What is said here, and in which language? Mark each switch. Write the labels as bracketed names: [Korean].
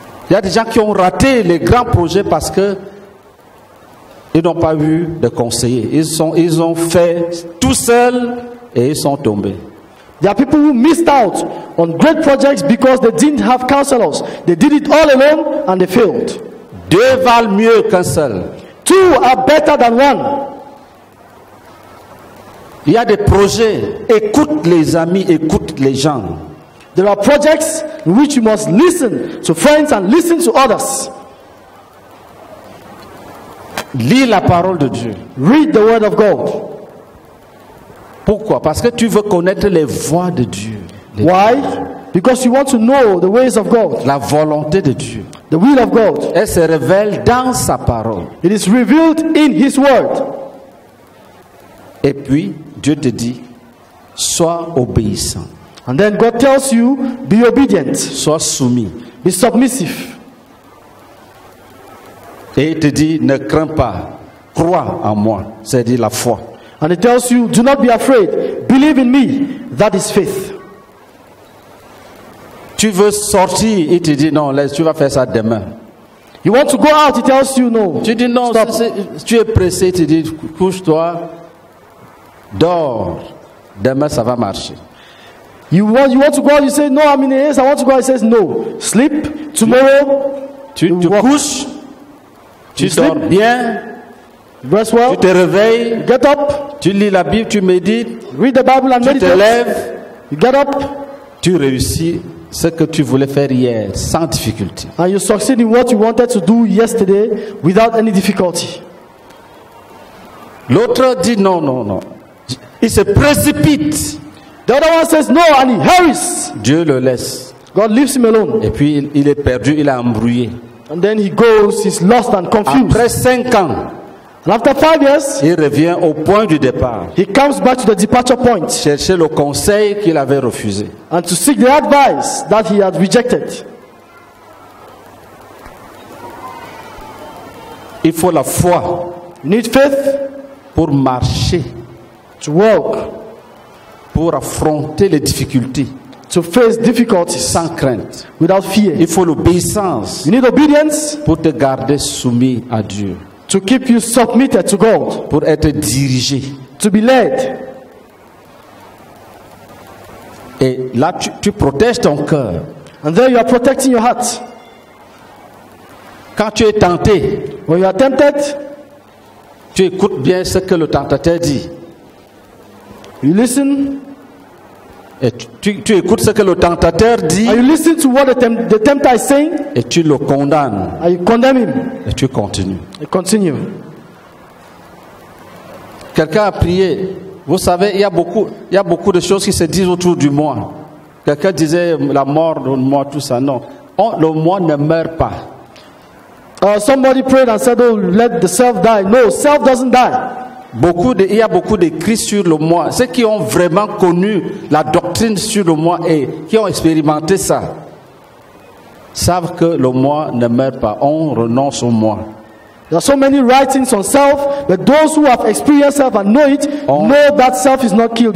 [French] Il y a des gens qui ont raté les grands projets parce que ils n'ont pas eu de conseiller. Ils ont fait tout seul et ils sont tombés. [English] There are people who missed out on great projects because they didn't have counselors. They did it all alone and they failed. [French] Deux valent mieux qu'un seul. [English] Two are better than one. [French] Il y a des projets. Écoute les amis, écoute les gens. [English] There are projects in which you must listen to friends and listen to others. [French] Lis la parole de Dieu. [English] Read the word of God. [French] Pourquoi? Parce que tu veux connaître les voies de Dieu. [English] Why? Because you want to know the ways of God. [French] La volonté de Dieu. [English] The will of God. [French] Elle se révèle dans sa parole. [English] It is revealed in his word. [French] Et puis, Dieu te dit, sois obéissant. [English] And then God tells you, be obedient. [French] Sois soumis. [English] Be submissive. [French] Et il te dit, ne crains pas. Crois en moi. C'est-à-dire la foi. [English] And he tells you, do not be afraid. Believe in me. That is faith. [French] Tu veux sortir. Il te dit, non, laisse, tu vas faire ça demain. [English] You want to go out. He tells you, no. [French] Tu dis, non, stop. Tu es pressé. Il te dit, couche-toi. Dors. Demain, ça va marcher. [English] You want to go out, you say, no, I'm in the haste, I want to go out, he says, no. Sleep, tomorrow, [French] tu couches, tu sleep, dors bien, [English] rest well, [French] tu te réveilles, [English] get up, [French] tu lis la Bible, tu médites, [English] read the Bible and [French] tu [English] meditate, [French] te lèves, [English] you get up, [French] tu réussis ce que tu voulais faire hier, sans difficulté. [English] And you succeed in what you wanted to do yesterday, without any difficulty. [French] L'autre dit, non, non, non. Il se précipite. [English] The other one says no and he hurries. [French] Dieu le laisse. [English] God leaves him alone. [French] Et puis il est perdu, il est embrouillé. [English] And then he goes, he's lost and confused. [French] Après 5 ans. [English] And after 5 years. [French] Il revient au point du départ. [English] He comes back to the departure point. [French] Chercher le conseil qu'il avait refusé. [English] And to seek the advice that he had rejected. [French] Il faut la foi. [English] You need faith. [French] Pour marcher. [English] To walk. [French] Pour affronter les difficultés. [English] To face difficulties. [French] Sans crainte. [English] Without fear. [French] Il faut l'obéissance. [English] You need obedience. [French] Pour te garder soumis à Dieu. [English] To keep you submitted to God. [French] Pour être dirigé. [English] To be led. [French] Et là, tu protèges ton cœur. [English] And there you are protecting your heart. [French] Quand tu es tenté. [English] When you are tempted. [French] Tu écoutes bien ce que le tentateur dit. [English] You listen. [French] Et tu écoutes ce que le tentateur dit. [English] And you listen to what the tempter is saying. [French] Et tu le condamnes. [English] And you condemn him. [French] Et tu continues. [English] I continue. [French] Quelqu'un a prié. Vous savez, il y a beaucoup de choses qui se disent autour du moi. Quelqu'un disait la mort, le moi, tout ça. Non, le moi ne meurt pas. [English] Somebody prayed and said, oh, let the self die. No, self doesn't die. [French] Il y a beaucoup d'écrits sur le moi. Ceux qui ont vraiment connu la doctrine sur le moi et qui ont expérimenté ça savent que le moi ne meurt pas. On renonce au moi. [English] There are so many writings on self, but those who have experienced self and know it know that self is not killed.